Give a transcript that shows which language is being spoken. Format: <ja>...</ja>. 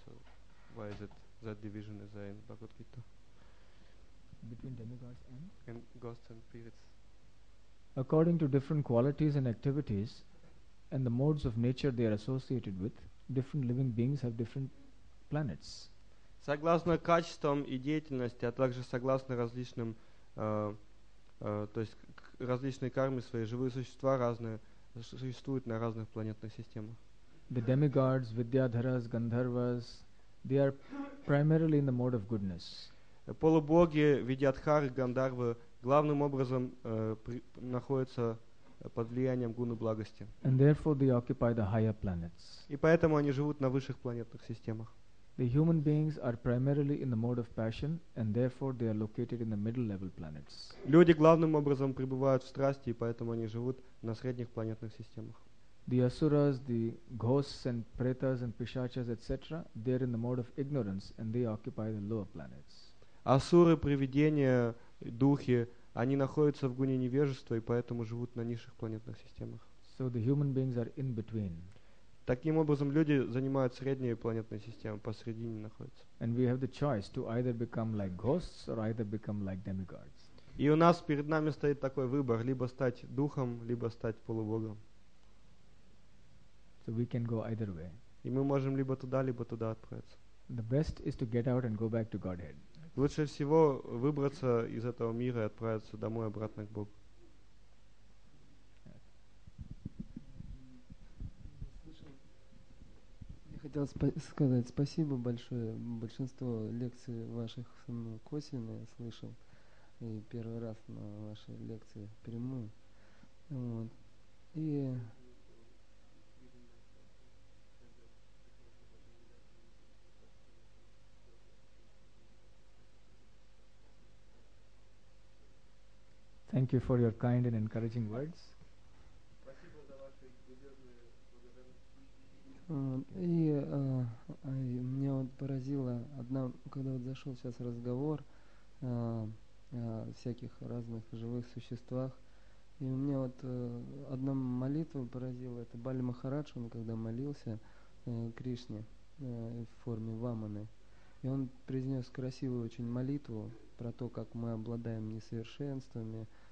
<en>So why is it that division is there in Bhagavad Gita? Between demigods and? And gods and spirits. According to different qualities and activities and the modes of nature they are associated with, different living beings have different planets.</en> <ru>Согласно качествам и деятельности, а также согласно различным, то есть различной карме свои живые существа разные существуют на разных планетных системах.</ru> <en>The demigods, Vidyadharas, Gandharvas, they are primarily in the mode of goodness.</en> <ru>Полубоги, Видьядхары, Гандхарвы главным образом находятся под влиянием гуны благости.</ru> <en>And therefore they occupy the higher planets.</en> <ru>И поэтому они живут на высших планетных системах.</ru> <en>The human beings are primarily in the mode of passion, and therefore they are located in the middle-level planets.</en> <ru>Люди главным образом пребывают в страсти, и поэтому они живут на средних планетных системах.</ru> <en>The asuras, the ghosts and pretas and pishachas, etc., they're in the mode of ignorance, and they occupy the lower planets.</en> <ru>Асуры, привидения, духи, они находятся в гуне невежества и поэтому живут на низших планетных системах.</ru> <en>So the human beings are in between.</en> <ru>Таким образом, люди занимают средние планетные системы, посредине находятся.</ru> <en>And we have the choice to either become like ghosts or either become like demigods.</en> <ru>И у нас перед нами стоит такой выбор: либо стать духом, либо стать полубогом.</ru> <en>So we can go either way.</en> <ru>И мы можем либо туда, либо туда отправиться.</ru> <en>The best is to get out and go back to Godhead.</en> <ru>Лучше всего выбраться из этого мира и отправиться домой обратно к Богу. Я хотел сказать спасибо большое. Большинство лекций ваших косвенно я слышал. И первый раз на вашей лекции прямую. Вот. И</ru> <en>thank you for your kind and encouraging words.</en> <ru>И меня вот поразило одна, когда вот зашел сейчас разговор всяких разных живых существах, и у меня вот одна молитва поразила, это Бали Махарадж, он когда молился Кришне в форме Ваманы, и он произнес красивую очень молитву про то, как мы обладаем несовершенствами.</ru>